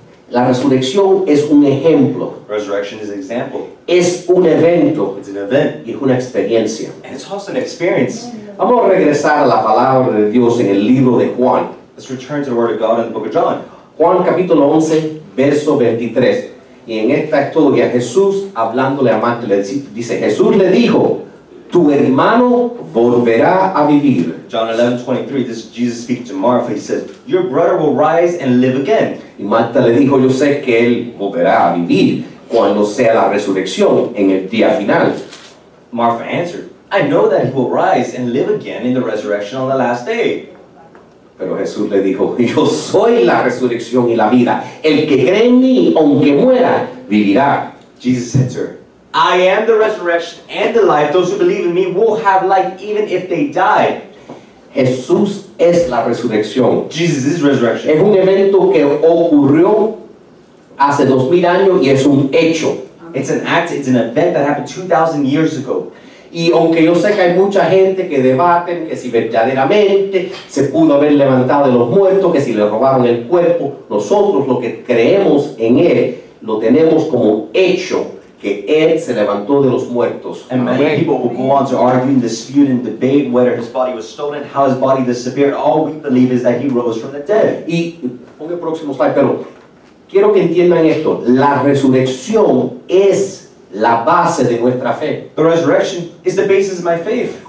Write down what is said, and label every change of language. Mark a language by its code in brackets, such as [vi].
[es] La resurrección es un ejemplo. [en] Resurrection is an example. [es] Es un evento. [en] It's an event. [es] Y es una experiencia. [en] And it's also an experience. [es] Vamos a regresar a la palabra de Dios en el libro de Juan. [en] Let's return to the word of God in the book of John. [es] Juan capítulo 11, verso 23. Y en esta historia, Jesús hablándole a Marta, le dice, Jesús le dijo, tu hermano volverá a vivir. [en] John 11, 23, this is Jesus speaking to Martha. He says, your brother will rise and live again. [es] Y Marta le dijo, yo sé que él volverá a vivir cuando sea la resurrección en el día final. [en] Martha answered, I know that he will rise and live again in the resurrection on the last day. [es] Pero Jesús le dijo, yo soy la resurrección y la vida. El que cree en mí, aunque muera, vivirá. [en] Jesus said to her, I am the resurrection and the life. Those who believe in me will have life even if they die. [es] Jesús es la resurrección. [en] Jesus is resurrection. [es] Es un evento que ocurrió hace 2,000 años y es un hecho. [en] It's an act, it's an event that happened 2,000 years ago. [es] Y aunque yo sé que hay mucha gente que debaten que si verdaderamente se pudo haber levantado de los muertos, que si le robaron el cuerpo, nosotros lo que creemos en él lo tenemos como hecho, que él se levantó de los muertos. [en] And many people will go on to argue and dispute and debate whether his body was stolen, how his body disappeared. All we believe is that he rose from the dead. [es] Y ponga el próximo slide, pero quiero que entiendan esto. La resurrección es la base de nuestra fe. [en] The resurrection is the basis of my faith.